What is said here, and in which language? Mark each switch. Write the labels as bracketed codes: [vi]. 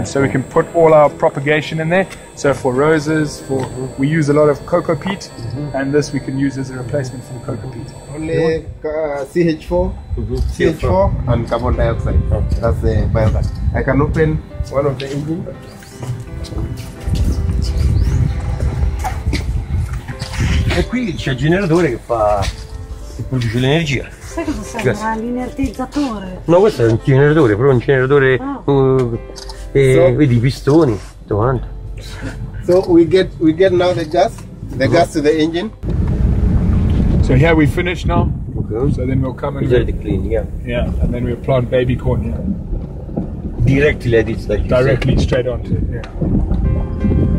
[en] Yeah, so we can put all our propagation in there. So for roses, for we use a lot of coco peat, mm-hmm, and this we can use as a replacement for the coco peat. Only CH4 and carbon dioxide. Okay. That's the biogas. I can open one of the engine. [it] E qui c'è il generatore che fa che produce l'energia. Sai cosa serve? L'energizzatore. No, questo è un generatore, proprio un generatore. Oh. Vedi i pistoni, tutto quanto. [en] So we get now the gas to the engine. So here we finish now. Okay. So then we'll come and the clean, yeah. Yeah, and then we'll plant baby corn here. Directly at it, like directly straight onto it, yeah.